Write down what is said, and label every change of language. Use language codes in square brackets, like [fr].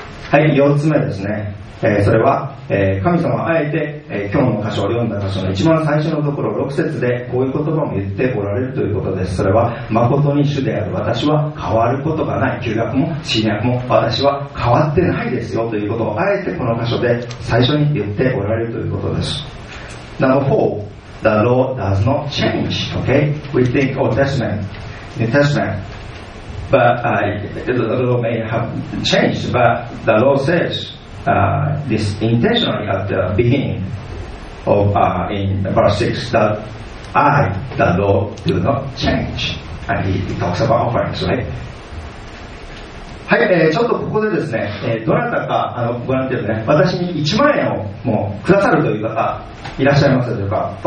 [ja] はい、4つ目ですね、それは、神様はあえて、今日の箇所を読んだ箇所の一番最初のところ6節でこういう言葉も言っておられるということです。それは誠に主である私は変わることがない、旧約も新約も私は変わってないですよということをあえてこの箇所で最初に言っておられるということです。 [en] Number 4, the law does not change. Okay, we think Old Testament, New TestamentBut the law may have changed, but the law says this intentionally at the beginning of in verse 6 that I, the law, do not change. And he talks about offerings, right? [ja] はい、ちょっとここでですね、どなたかご覧ですね、私に1万円をもうくださるという方いらっしゃいますでしょうか。